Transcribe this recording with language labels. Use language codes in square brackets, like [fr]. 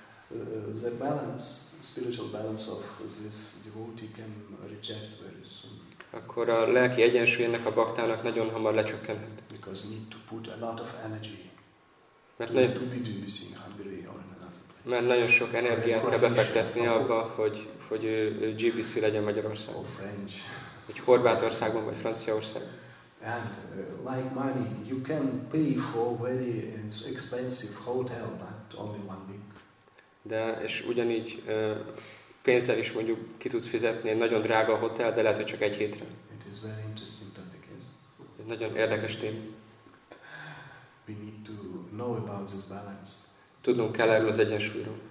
[en] The balance, spiritual balance of this devotee can reject very soon. [hu] Akkor a lelki egyensúlyának a baktának nagyon hamar lecsökkenhet. [en] Because need to put a lot of energy. [hu] Mert [en] to be GBC in Hungary or in another place. [hu] Mert nagyon sok energiát kell befektetni abba, hogy GBC legyen Magyarországon. [en] Or French. [hu] Vagy Horvátországban, vagy Franciaországban. [en] And like money, you can pay for very expensive hotel, but only 1 week. [hu] De, és ugyanígy pénzzel is mondjuk ki tudsz fizetni egy nagyon drága hotel, de lehet, hogy csak 1 hétre. [en] It is very interesting topic, yes. [hu] Egy nagyon érdekes téma. [en] We need to know about this balance. [hu] Tudnunk kell erről az egyensúlyról.